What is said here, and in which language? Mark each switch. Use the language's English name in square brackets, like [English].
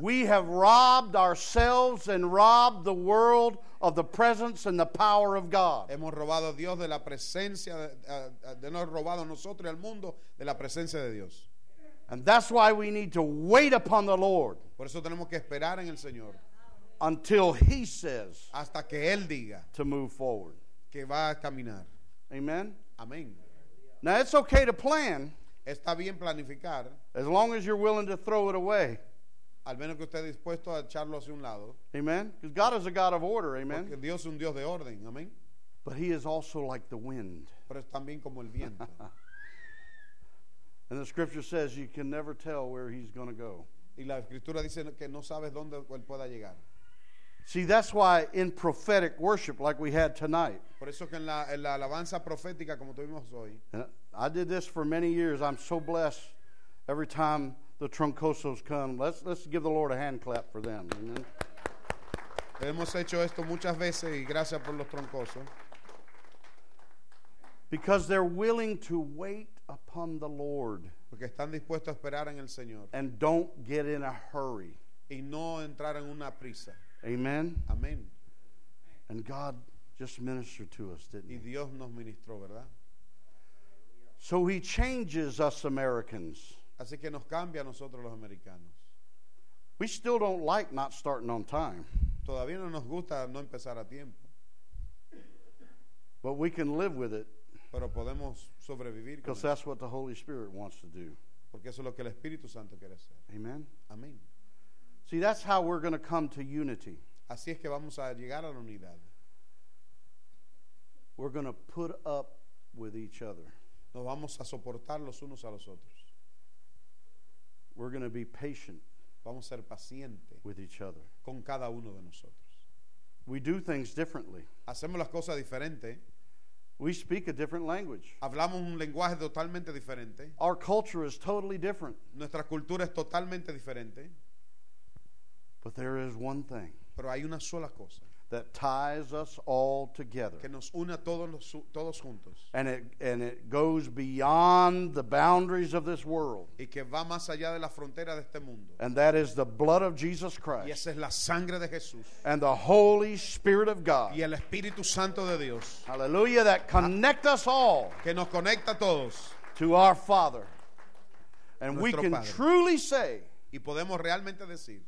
[English] we have robbed ourselves and robbed the world of the presence and the power of God. [Spanish] Hemos robado a Dios de la presencia, de no robado a nosotros y al mundo de la presencia de Dios. [English] And that's why we need to wait upon the Lord. [Spanish] Por eso tenemos que esperar en el Señor. [English] Until He says, [Spanish] hasta que Él diga, [English] to move forward, [Spanish] que va a caminar. [English] Amen. [Spanish] Amen. [English] Now it's okay to plan. [Spanish] Está bien planificar. [English] As long as you're willing to throw it away. [Spanish] Al menos que usted esté dispuesto a echarlo hacia un lado. [English] Amen. Because God is a God of order. Amen. [Spanish] Porque Dios es un Dios de orden. Amen. [English] But He is also like the wind. [Spanish] Pero es también como el viento. [English] And the scripture says you can never tell where He's going to go. [Spanish] Y la escritura dice que no sabes dónde él pueda llegar. [English] See, that's why in prophetic worship like we had tonight. [Spanish] Por eso que en la alabanza profética como tuvimos hoy. [English] I did this for many years. I'm so blessed every time the Troncosos come. Let's give the Lord a hand clap for them. Amen. [Spanish] Hemos hecho esto muchas veces y gracias por los Troncosos. [English] Because they're willing to wait upon the Lord. [Spanish] Porque están dispuestos a esperar en el Señor. [English] And don't get in a hurry. [Spanish] Y no entrar en una prisa. [English] Amen. [Spanish] Amen. [English] And God just ministered to us, didn't [Spanish] y Dios nos ministró, ¿verdad? [English] So He changes us Americans. [Spanish] Así que nos cambia a nosotros los americanos. [English] We still don't like not starting on time. [Spanish] Todavía no nos gusta no empezar a tiempo. [English] But we can live with it. [Spanish] Pero podemos sobrevivir. [English] Because that's what the Holy Spirit wants to do. [Spanish] Porque eso es lo que el Espíritu Santo quiere hacer. [English] Amen. [Spanish] Amen. [English] See, that's how we're going to come to unity. [Spanish] Así es que vamos a llegar a la unidad. [English] We're going to put up with each other. [Spanish] Nos vamos a soportar los unos a los otros. [English] We're going to be patient. [Spanish] Vamos a ser paciente. [English] With each other. [Spanish] Con cada uno de nosotros. [English] We do things differently. [Spanish] Hacemos las cosas diferente. [English] We speak a different language. [Spanish] Hablamos un lenguaje totalmente diferente. [English] Our culture is totally different. [Spanish] Nuestra cultura es totalmente diferente. [English] But there is one thing. [Spanish] Pero hay una sola cosa. [English] That ties us all together. [Spanish] Que nos une a todos juntos. [English] And it goes beyond the boundaries of this world. [Spanish] Y que va más allá de la frontera de este mundo. [English] And that is the blood of Jesus Christ. [Spanish] Y esa es la sangre de Jesús. [English] And the Holy Spirit of God. [Spanish] Y el Espíritu Santo de Dios. [English] Hallelujah, that connect us all. [Spanish] Que nos conecta a todos. [English] To our Father. And [Spanish] nuestro [English] we can [Spanish] Padre. [English] Truly say. [Spanish] Y podemos realmente decir.